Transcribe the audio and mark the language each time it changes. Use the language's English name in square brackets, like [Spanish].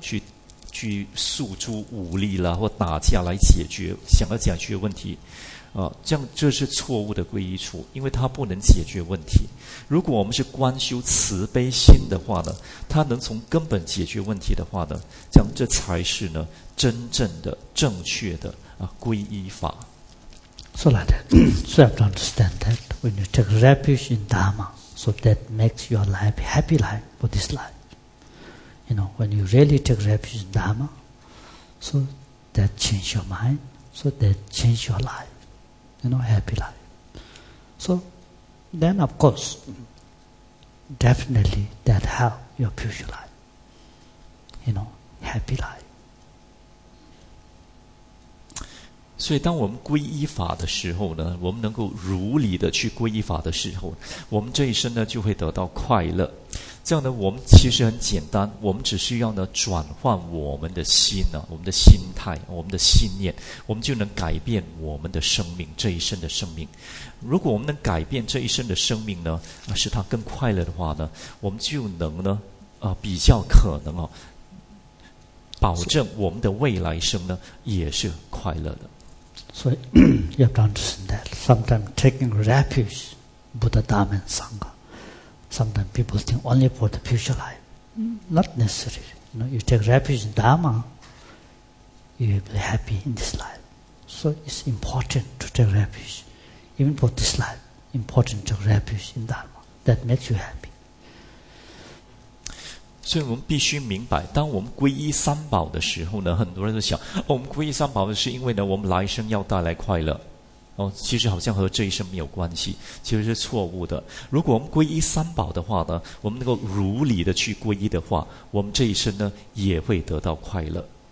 [Chinese] 去诉诸武力啦，或打架来解决想要解决问题，这样这是错误的皈依处，因为它不能解决问题。如果我们是观修慈悲心的话呢，它能从根本解决问题的话呢，这样这才是呢真正的正确的皈依法。 [English] So like that, so I have to understand that when you take refuge in Dharma, so that makes your life happy life for this life. You know, when you really take refuge in Dharma, so that change your mind, so that change your life. You know, happy life. So, then of course, definitely that help your future life. You know, happy life. [Chinese] 所以当我们皈依法的时候呢，我们能够如理的去皈依法的时候，我们这一生呢就会得到快乐。这样呢，我们其实很简单，我们只需要呢转换我们的心呢，我们的心态，我们的信念，我们就能改变我们的生命，这一生的生命。如果我们能改变这一生的生命呢，使它更快乐的话呢，我们就能呢，比较可能哦，保证我们的未来生呢也是快乐的。所以 [English] you have to understand that sometimes taking refuge Buddha Dharma and Sangha. Sometimes people think only for the future life. Not necessary. You know, you take refuge in Dharma, you will be happy in this life. So it's important to take refuge. Even for this life, important to take refuge in Dharma. That makes you happy. [Chinese] 所以我们必须明白，当我们皈依三宝的时候呢，很多人都想，哦，我们皈依三宝是因为呢，我们来生要带来快乐。哦，其实好像和这一生没有关系，其实是错误的。如果我们皈依三宝的话呢，我们能够如理的去皈依的话，我们这一生呢也会得到快乐。